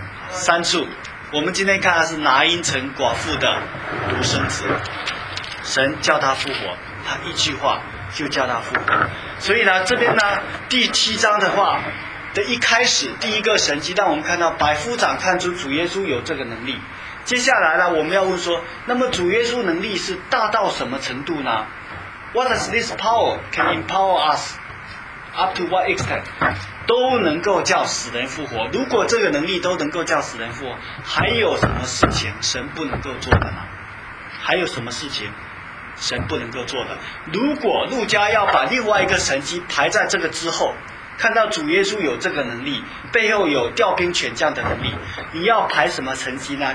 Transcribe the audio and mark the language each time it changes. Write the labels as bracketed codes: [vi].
[zh] 三处，我们今天看到是拿因城寡妇的独生子，神叫他复活，他一句话就叫他复活。所以呢，这边呢，第七章的话的一开始，第一个神迹让我们看到百夫长看出主耶稣有这个能力。接下来呢，我们要问说，那么主耶稣能力是大到什么程度呢？ [en] What does this power can empower us up to what extent? [zh] 都能够叫死人复活，如果这个能力都能够叫死人复活，还有什么事情神不能够做的呢？还有什么事情神不能够做的？如果路加要把另外一个神迹排在这个之后，看到主耶稣有这个能力，背后有调兵遣将的能力，你要排什么神迹呢？